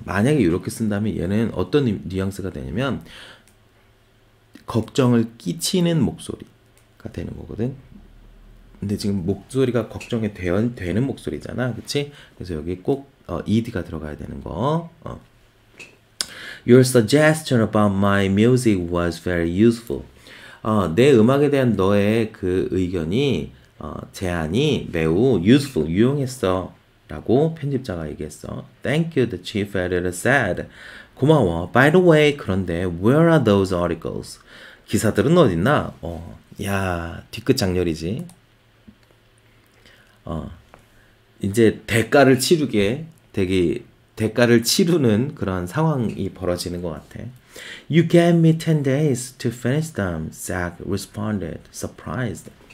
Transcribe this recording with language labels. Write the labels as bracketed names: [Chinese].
[Korean] 만약에 이렇게 쓴다면 얘는 어떤 뉘앙스가 되냐면 걱정을 끼치는 목소리가 되는 거거든. 근데 지금 목소리가 걱정이 되는 목소리잖아, 그치? 그래서 여기 꼭 ED가 들어가야 되는 거. [English] Your suggestion about my music was very useful. [Korean] 내 음악에 대한 너의 그 의견이, 제안이 매우 useful, 유용했어 라고 편집자가 얘기했어. [English] Thank you, the chief editor said. [Korean] 고마워. [English] By the way, [Korean] 그런데 [English] where are those articles? [Korean] 기사들은 어딨나? 야, 뒤끝 장렬이지. 이제 대가를 치르게 되게 대가를 치르는 그런 상황이 벌어지는 것 같아. [English] You gave me 10 days to finish them, Zach responded, surprised.